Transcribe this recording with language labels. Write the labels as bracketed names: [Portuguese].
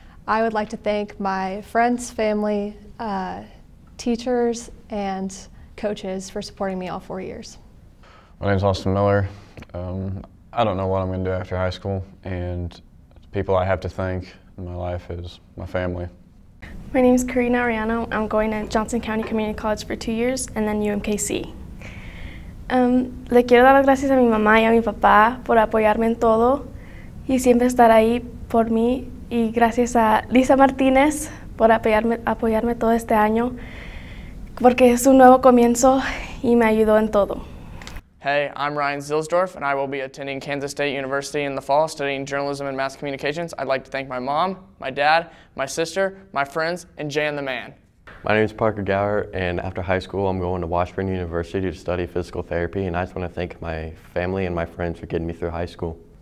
[English] I would like to thank my friends, family, teachers, and coaches for supporting me all 4 years. My name is Austin Miller. I don't know what I'm going to do after high school, and the people I have to thank in my life is my family. My name is Karina Ariano. I'm going to Johnson County Community College for 2 years and then UMKC. [Spanish] Le quiero dar las gracias a mi mamá y a mi papá por apoyarme en todo y siempre estar ahí por mí. Y gracias a Lisa Martínez por apoyarme todo este año porque es un nuevo comienzo y me ayudó en todo. [English] Hey, I'm Ryan Zilsdorf, and I will be attending Kansas State University in the fall studying journalism and mass communications. I'd like to thank my mom, my dad, my sister, my friends, and Jan the Man. My name is Parker Gower, and after high school, I'm going to Washburn University to study physical therapy, and I just want to thank my family and my friends for getting me through high school.